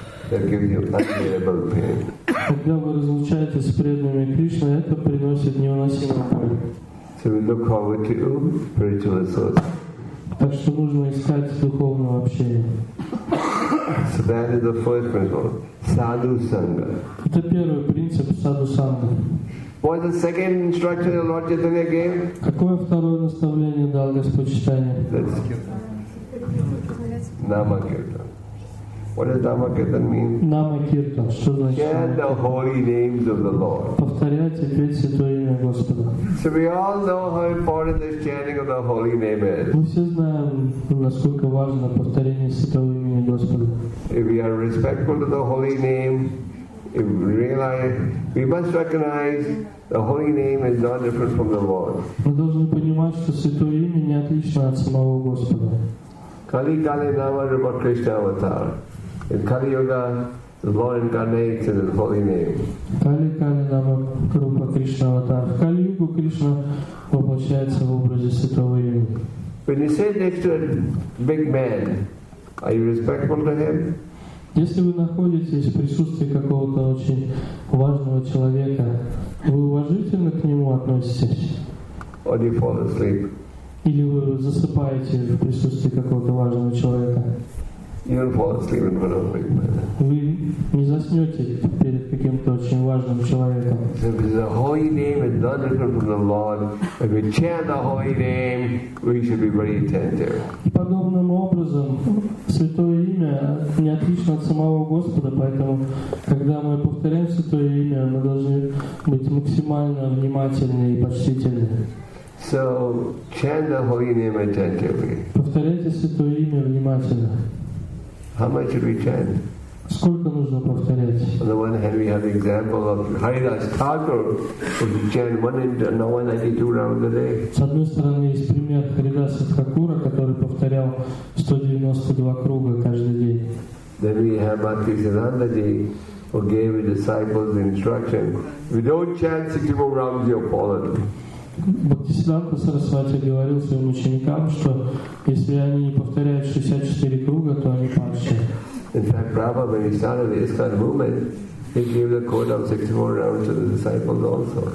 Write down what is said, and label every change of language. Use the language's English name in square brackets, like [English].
[Russian] Когда вы разлучаетесь с преданными Кришны, это приносит невыносимую боль. Так что нужно искать духовного общения. Это первый принцип саду-санга. [English] What is the second instruction the Lord Chaitanya gave? [Russian] Какое второе наставление дал Господь Читания? Намакиртан. [English] What does Намакиртан mean? [Russian] Намакиртан. Что значит? [English] Chant the holy names of the Lord. [Russian] Повторять и петь святое имя Господа. [English] So we all know how important this chanting of the holy name is. [Russian] Мы все знаем, насколько важно повторение святого имени Господа. [English] If we are respectful to the holy name, if we realize, we must recognize the holy name is not different from the Lord. [Russian] Мы должны понимать, что святое имя не отлично от самого Господа. [Sanskrit] Kali Kali Nama Rupa Krishna Avatar. [English] In Kali Yuga, the Lord incarnates in His holy name. [Sanskrit] Kali Kali Nama Rupa Krishna Avatar. Kali Yuga [Russian] Krishna воплощается в образе святого имени. [English] When you sit next to a big man, are you respectful to him? [Russian] Если вы находитесь в присутствии какого-то очень важного человека, вы уважительно к нему относитесь? [English] Or do you fall asleep? [Russian] Или вы засыпаете в присутствии какого-то важного человека? [English] You don't fall asleep in front of a big man. [Russian] Вы не заснете перед каким-то очень важным человеком. [English] Because the holy name is not different from the Lord. If we chant the holy name, we should be very attentive. [Russian] И подобным образом, святое имя не отлично от самого Господа, поэтому, когда мы повторяем святое имя, мы должны быть максимально внимательны и почтительны. [English] So chant the holy name attentively. [Russian] Повторяйте святое имя внимательно. [English] How much should we chant? [Russian] Сколько нужно повторять? [English] On the one hand, we have the example of Haridas Thakur, who chanted 192 rounds a day. [Russian] С одной стороны, есть пример Харидаса Такура, который повторял 192 круга каждый день. [English] Then we have Bhaktisiddhanta Ji, who gave his disciples the instruction: if you don't chant 64 rounds, you're fallen. [Russian] Бхактисиддханта Сарасвати говорил своим ученикам, что если они не повторяют 64 круга, то они падшие. [English] In fact, Prabhupada, when he started the ISKCON movement, he gave the code of 64 rounds to the disciples also.